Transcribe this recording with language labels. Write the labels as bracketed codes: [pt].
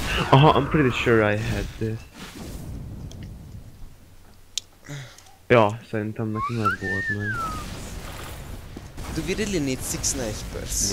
[en] Aha, I'm pretty sure I had this. [hu] Ja, szerintem nekem ez volt meg. [en] Do we really need 6 snipers?